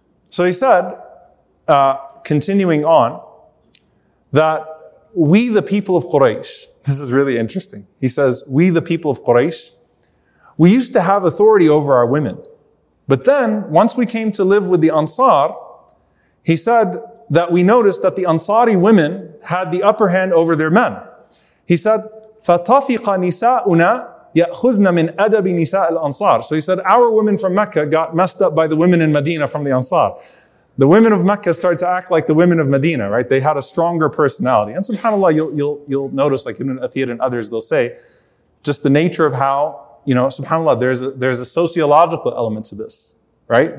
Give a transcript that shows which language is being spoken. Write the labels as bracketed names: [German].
[English] So he said, continuing on, that we the people of Quraysh, this is really interesting. He says, we the people of Quraysh, we used to have authority over our women. But then, once we came to live with the Ansar, he said that we noticed that the Ansari women had the upper hand over their men. He said, [Arabic] فَتَفِقَ نِسَاؤُنَا يَأْخُذْنَا مِنْ أَدَبِ نِسَاءِ الْأَنصَارِ. [English] So he said, our women from Mecca got messed up by the women in Medina from the Ansar. The women of Mecca started to act like the women of Medina, right? They had a stronger personality. And subhanAllah, you'll notice, like Ibn Athir and others, they'll say, just the nature of how, you know, subhanAllah, there's a sociological element to this, right?